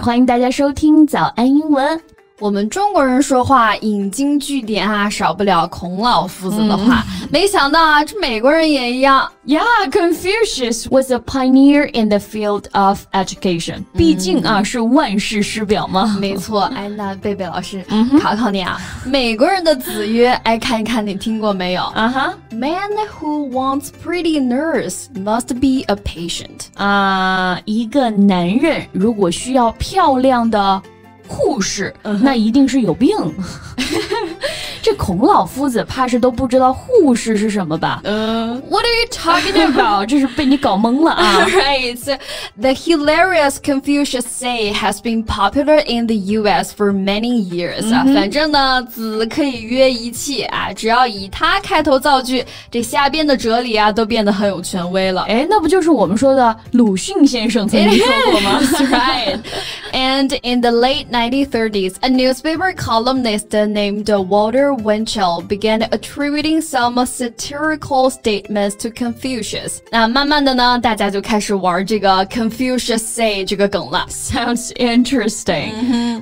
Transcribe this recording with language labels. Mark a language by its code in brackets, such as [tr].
[zh] 欢迎大家收听早安英文。我们中国人说话引经据典啊，少不了孔老夫子的话。没想到啊，这美国人也一样。 [en] Yeah, Confucius was a pioneer in the field of education. [zh] 毕竟啊，是万世师表嘛。没错，哎，那贝贝老师，考考你啊，美国人的子曰，哎，看一看你听过没有？ [en] Man who wants pretty nurse must be a patient. [zh] 啊，一个男人如果需要漂亮的护士、那一定是有病这孔老夫子怕是都不知道护士是什么吧、 [en] What are you talking about? [zh] 这是被你搞懵了啊 [en] Right, the hilarious Confucius say has been popular in the US for many years、 [zh] 反正呢子可以约一气啊，只要以他开头造句，这下边的哲理啊都变得很有权威了。哎，那不就是我们说的鲁迅先生曾经说过吗 [en] And in the late 1930s, a newspaper columnist named Walter Winchell began attributing some satirical statements to Confucius. [zh] 那慢慢的呢，大家就开始玩这个 Confucius say 这个梗了。 [en] Sounds interesting.